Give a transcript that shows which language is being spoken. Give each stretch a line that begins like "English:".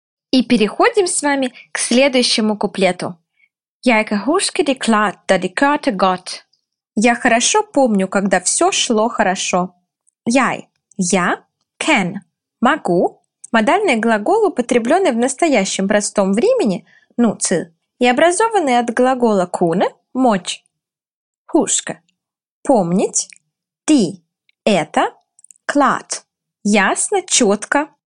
Russian: И переходим с вами к следующему куплету.
Danish: Jeg husker det klart, da det kørte godt.
Russian: Я хорошо помню, когда все шло хорошо. Я, can, могу. Модальный глагол, употребленный в настоящем простом времени, nutid, и образованный от глагола kunne, мочь. Huske, помнить. Ты, это, klart, ясно, четко.